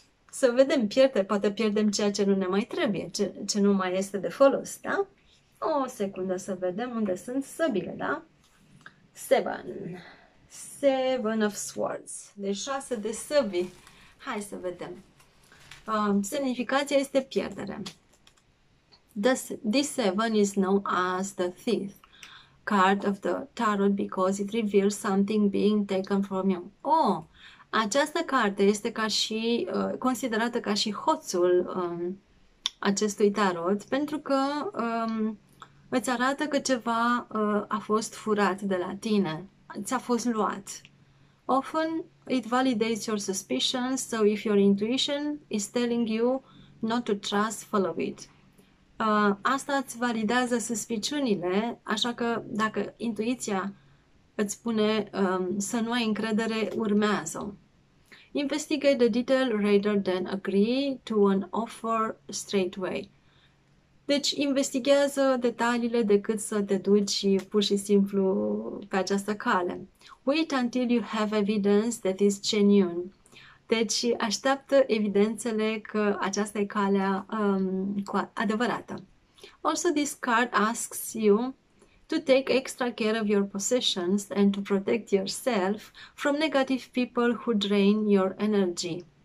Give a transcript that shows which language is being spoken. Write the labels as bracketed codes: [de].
[ro] Să vedem pierdere, poate pierdem ceea ce nu ne mai trebuie, ce nu mai este de folos, da? O secundă să vedem unde sunt săbile, da? Seven of Swords. Deci 6 de săbi. Hai să vedem. Semnificația este pierdere. [en] This seven is known as the thief card of the tarot because it reveals something being taken from you. [ro] Oh, această carte este ca și considerată ca și hoțul acestui tarot pentru că îți arată că ceva a fost furat de la tine, ți-a fost luat. [en] Often it validates your suspicions, so if your intuition is telling you not to trust, follow it. [ro] Asta îți validează suspiciunile, așa că dacă intuiția îți spune să nu ai încredere, urmează-o. [en] Investigate the detail rather than agree to an offer straight away. [ro] Deci, investighează detaliile decât să te duci pur și simplu pe această cale. [en] Wait until you have evidence that is genuine. [ro] Deci, așteaptă evidențele că aceasta e calea adevărată. [en] Also, this card asks you to take extra care of your possessions and to protect yourself from negative people who drain your energy.